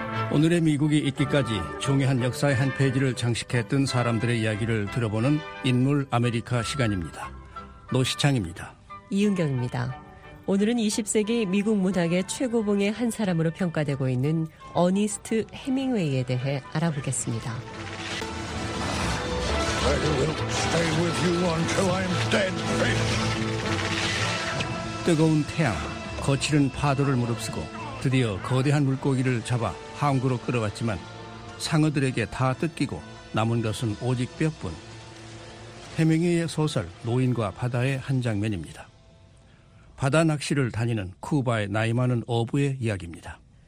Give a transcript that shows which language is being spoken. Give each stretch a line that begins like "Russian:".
Korean: 오늘의 미국이 있기까지 중요한 역사의 한 페이지를 장식했던 사람들의 이야기를 들어보는 인물 아메리카 시간입니다. 노시창입니다. 이은경입니다. 오늘은 20세기 미국 문학의 최고봉의 한 사람으로 평가되고 있는 어니스트 헤밍웨이에 대해 알아보겠습니다.
English: I will stay with you until I'm dead, baby.
Korean: 뜨거운 태양, 거칠은 파도를 무릅쓰고 드디어 거대한 물고기를 잡아 항구로 끌어왔지만 상어들에게 다 뜯기고 남은 것은 오직 뼈뿐. 헤밍웨이의 소설 노인과 바다의 한 장면입니다. 바다 낚시를 다니는 쿠바의 나이 많은 어부의 이야기입니다.